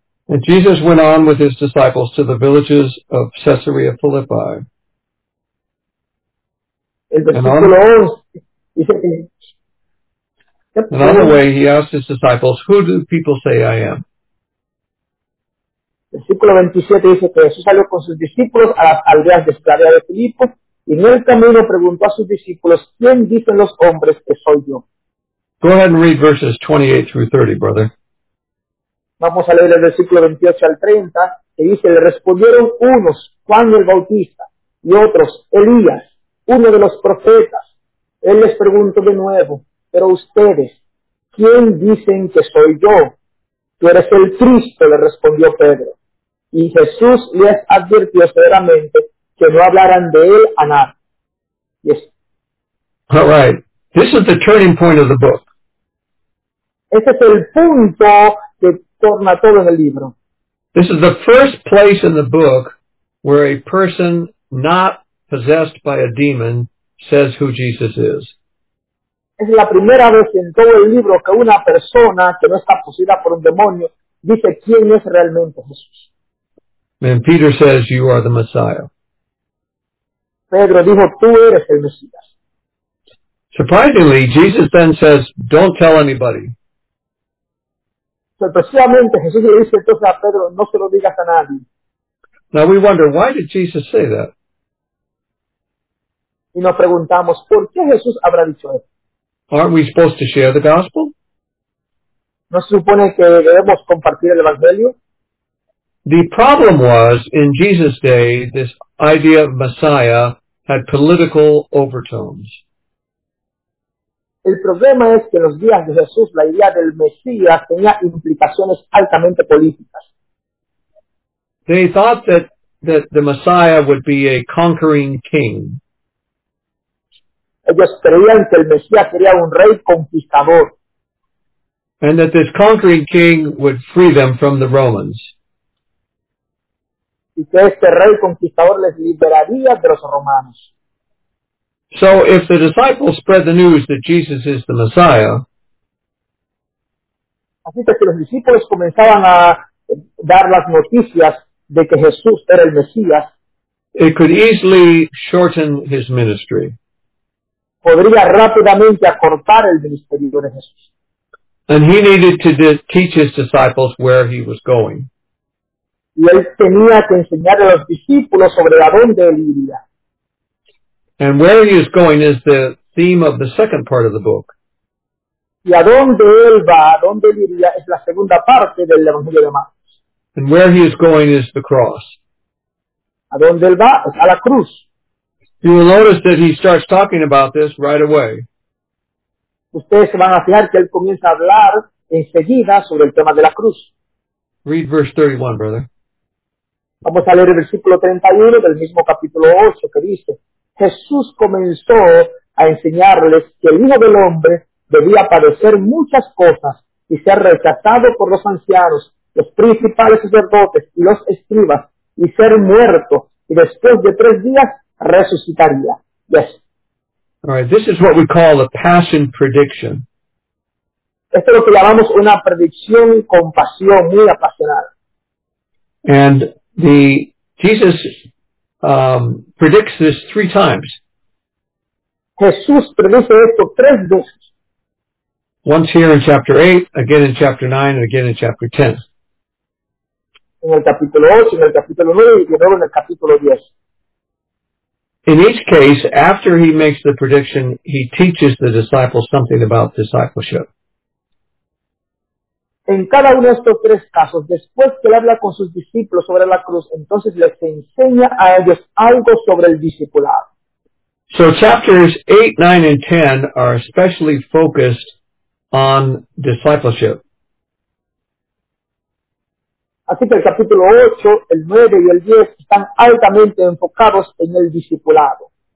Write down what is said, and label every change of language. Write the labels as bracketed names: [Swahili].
[English] And Jesus went on with his disciples to the villages of Caesarea Philippi. And on the way, he asked his disciples, "Who do people say I am?" [Spanish] Versículo 27 dice que Jesús salió con sus discípulos a las aldeas de Caesarea de Filipo y en el camino preguntó a sus discípulos, "¿Quién dicen los hombres que soy yo?" [English] Go ahead and read verses 28 through 30, brother. [Spanish] Vamos a leer el versículo 28 al 30, que dice, le respondieron unos, Juan el Bautista, y otros, Elías, uno de los profetas. Él les preguntó de nuevo, pero ustedes, ¿quién dicen que soy yo? Tú eres el Cristo, le respondió Pedro. Y Jesús les advirtió severamente que no hablaran de él a nadie. [English] Yes. All right. This is the turning point of the book. [Spanish] Este es el punto que torna todo en el libro. [English] This is the first place in the book where a person not possessed by a demon says who Jesus is. [Spanish] Es la primera vez en todo el libro que una persona que no está poseída por un demonio dice quién es realmente Jesús. [English] And Peter says, you are the Messiah. [Spanish] Pedro dijo, tú eres el Mesías. [English] Surprisingly, Jesus then says, don't tell anybody. [Spanish] Sorpresivamente, Jesús le dice entonces a Pedro, no se lo digas a nadie. [English] Now we wonder, why did Jesus say that? [Spanish] Y nos preguntamos, ¿por qué Jesús habrá dicho eso? [English] Aren't we supposed to share the gospel? [Spanish] ¿No se supone que debemos compartir el evangelio? [English] The problem was, in Jesus' day, this idea of Messiah had political overtones. [Spanish] El problema es que en los días de Jesús la idea del Mesías tenía implicaciones altamente políticas. [English] They thought that the Messiah would be a conquering king. [Spanish] ellos creían que el Mesías sería un rey conquistador. [English] And that this conquering king would free them from the Romans. [Spanish] Y que este rey conquistador les liberaría de los romanos. [English] So if the disciples spread the news that Jesus is the Messiah, [Spanish] así que los discípulos comenzaban a dar las noticias de que Jesús era el Mesías, [English] it could easily shorten his ministry. [Spanish] Podría rápidamente acortar el ministerio de Jesús. [English] And he needed to teach his disciples where he was going. [Spanish] Y él tenía que enseñar a los discípulos sobre a dónde él iría. [English] And where he is going is the theme of the second part of the book. [Spanish] Y a dónde él va, a dónde él iría, es la segunda parte del Evangelio de Marcos. [English] And where he is going is the cross. [Spanish] A dónde él va, es a la cruz. [English] You will notice that he starts talking about this right away. [Spanish] Ustedes se van a fijar que él comienza a hablar enseguida sobre el tema de la cruz. [English] Read verse 31, brother. [Spanish] Vamos a leer el versículo 31 del mismo capítulo 8 que dice, Jesús comenzó a enseñarles que el Hijo del Hombre debía padecer muchas cosas y ser rechazado por los ancianos, los principales sacerdotes y los escribas, y ser muerto, y después de tres días resucitaría. [English] Yes. All right, this is what we call a passion prediction. [Spanish] Esto es lo que llamamos una predicción con pasión, muy apasionada. [English] And the Jesus predicts this three times. [Spanish] Jesús predice esto tres veces. [English] Once here in chapter 8, again in chapter 9, and again in chapter 10. [Spanish] En el capítulo 8, en el capítulo 9, y luego en el capítulo 10. [English] In each case, after he makes the prediction, he teaches the disciples something about discipleship. [Spanish] En cada uno de estos tres casos, después que él habla con sus discípulos sobre la cruz, entonces les enseña a ellos algo sobre el discipulado. [English] So chapters 8, 9, and 10 are especially focused on discipleship. [Spanish] Así que el capítulo 8, el 9 y el 10 están altamente enfocados en el discipulado.